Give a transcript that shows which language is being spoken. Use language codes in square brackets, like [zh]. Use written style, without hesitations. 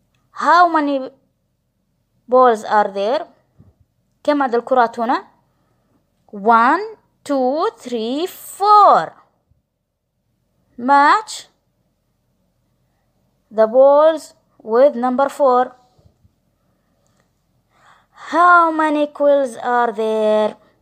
[en] How many balls are there? [ar] كم عدد الكرات هنا؟ [en] One. 2 3 4. Match the balls with number 4. How many quills are there?